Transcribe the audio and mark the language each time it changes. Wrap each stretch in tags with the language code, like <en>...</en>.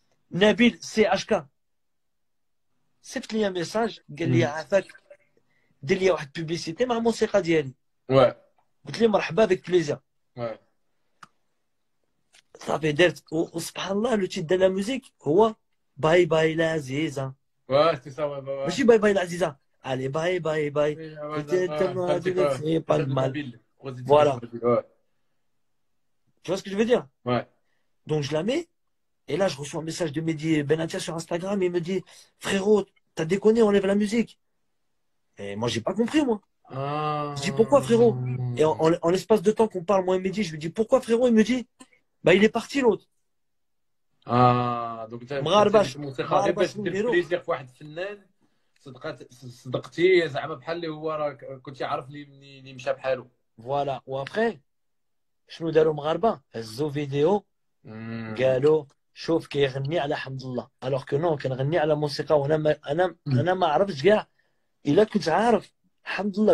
<ar>نبيل سي اشكا صيفط لي ميساج قال لي عافاك دير لي واحد بوبليسيتي مع الموسيقى ديالي. قلت لي مرحبا بك بليزير. صافي درت وسبحان الله لو تيت دا لا ميوزيك هو باي باي لعزيزه. ماشي باي باي لعزيزه، علي باي باي باي تيت دا تيب المال.</ar> <fr>فوالا tu vois ce que je veux dire. Donc je la mets et là je reçois un message de Mehdi Benatia sur Instagram. Il me dit frérot t'as déconné, enlève la musique. Et moi j'ai pas compris moi. Je dis pourquoi frérot. Et en l'espace de temps qu'on parle moi et Mehdi, je lui dis pourquoi frérot. Il me dit bah il est parti l'autre. Donc tu as fait un plaisir pour un fennan.</fr> <ar>صدقتي زعما بحال اللي هو راه كنت يعرف اللي مشى بحالو. فوالا وابخي شنو داروا مغاربه؟ هزوا فيديو قالوا شوف كيغني على حمد الله، الوغ كو نو كنغني على موسيقى. وانا ما انا انا ما عرفتش كاع، الا كنت عارف حمد الله</ar>